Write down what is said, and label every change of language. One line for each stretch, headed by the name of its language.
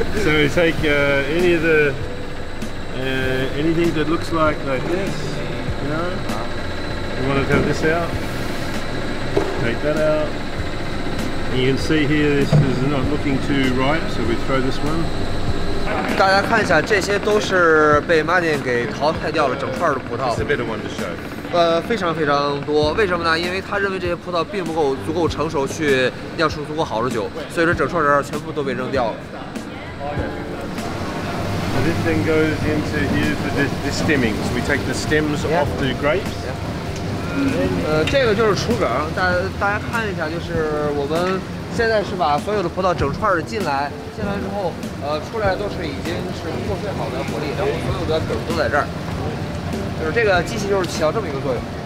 English: So we take any of the anything that looks like this. You know. You want to take this out. Take that out. You can see here, this is not looking too ripe, so we throw this one.
Chinese: 大家看一下，这些都是被 Martin 给淘汰掉了整串的葡萄。
English: It's a better one to show.
Chinese: 非常非常多。为什么呢？因为他认为这些葡萄并不够足够成熟去酿出足够好的酒，所以说整串人全部都被扔掉了。
English: So this then goes into here for the stemming. So we take the stems off the grapes.
Chinese: 这个就是储梗，大家看一下，就是我们现在是把所有的葡萄整串的进来之后，出来都是已经是过萃好的果粒，然后所有的梗都在这儿，就是这个机器就是起到这么一个作用。